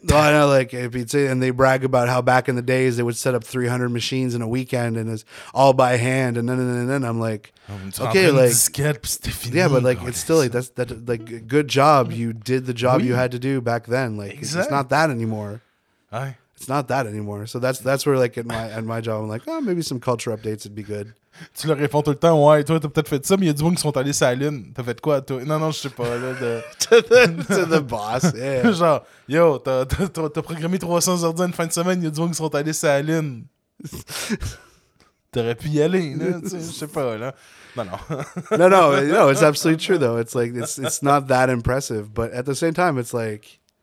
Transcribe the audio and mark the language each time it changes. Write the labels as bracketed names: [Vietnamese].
[English] Oh, I know, like, if you'd say, and they brag about how back in the days they would set up 300 machines in a weekend and it's all by hand. And then and I'm like, okay, like, yeah, but like, it's still like, that's like, good job. You did the job you had to do back then. Like, exactly. It's not that anymore. Aye. It's not that anymore. So that's where, like, at my job, I'm like, oh, maybe some culture updates would be good. [French] Tu leur réponds tout le temps, ouais, toi, t'as peut-être fait ça, mais il y a du monde qui sont allés sur la lune. T'as fait quoi, toi? Non, je sais pas. Là, de... [English] to the boss, yeah. [French] Genre, yo, t'as programmé 300 ordi en fin de semaine, il y a du monde qui sont allés sur la lune. T'aurais pu y aller, là, tu sais, je sais pas, là. Non. [English] No, it's absolutely true, though. It's like, it's not that impressive, but at the same time, it's like...